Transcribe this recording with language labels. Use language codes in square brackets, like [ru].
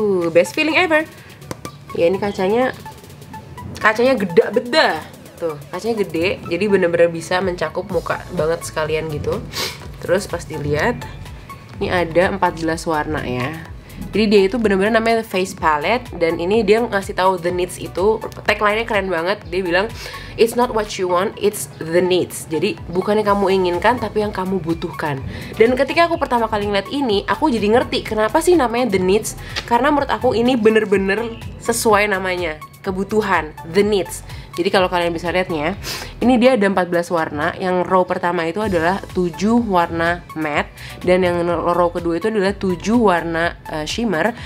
[en] Best feeling ever. [id] Ya ini kacanya, kacanya gede beda. Tuh, kacanya gede, jadi bener-bener bisa mencakup muka banget sekalian gitu. Terus pas dilihat, ini ada 14 warna ya. Jadi dia itu bener-bener namanya face palette. Dan ini dia ngasih tahu The Nudes itu, tagline-nya keren banget. Dia bilang, [en] it's not what you want, it's the needs. [id] Jadi bukan yang kamu inginkan, tapi yang kamu butuhkan. Dan ketika aku pertama kali ngeliat ini, aku jadi ngerti kenapa sih namanya The Nudes. Karena menurut aku ini bener-bener sesuai namanya, kebutuhan, The Nudes. Jadi kalau kalian bisa lihatnya, ini dia ada 14 warna. Yang row pertama itu adalah 7 warna matte, dan yang row kedua itu adalah 7 warna shimmer.